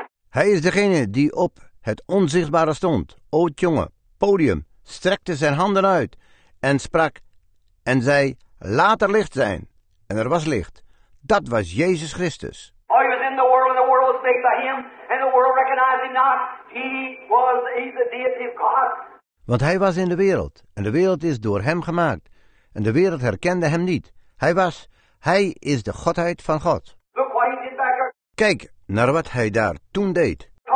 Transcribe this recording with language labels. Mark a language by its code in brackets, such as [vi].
[nl] Hij is degene die op het onzichtbare stond. O jongen, podium, strekte zijn handen uit en sprak en zei, laat er licht zijn. En er was licht. Dat was Jezus Christus. [en] Hij was in the world and the world was made by him and the world recognized him not. He's the deity of God. [nl] Want hij was in de wereld, en de wereld is door hem gemaakt. En de wereld herkende hem niet. Hij is de godheid van God. Kijk naar wat hij daar toen deed.